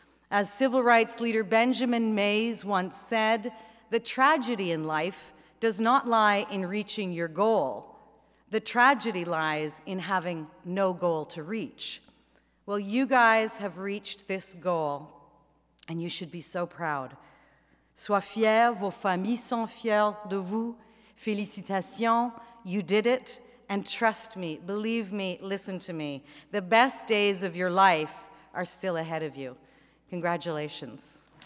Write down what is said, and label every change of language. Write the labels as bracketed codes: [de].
[en] As civil rights leader Benjamin Mays once said, the tragedy in life does not lie in reaching your goal. The tragedy lies in having no goal to reach. Well, you guys have reached this goal, and you should be so proud. [fr] Sois fier, vos familles sont fiers de vous. Félicitations, [en] you did it. And trust me, believe me, listen to me. The best days of your life are still ahead of you. Congratulations.